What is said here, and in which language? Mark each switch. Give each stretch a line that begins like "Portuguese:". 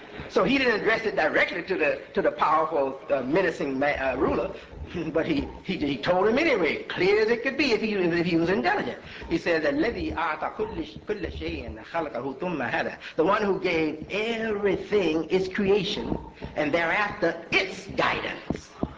English: So he didn't address it directly to the powerful, menacing ruler. But he told him anyway, clear as it could be, if he was intelligent. He said,
Arabic: الَّذِي أَعْطَى كُلَّ شَيْءٍ خَلَقَهُ ثُمَّ هَدَى.
English: The one who gave everything its creation, and thereafter its guidance.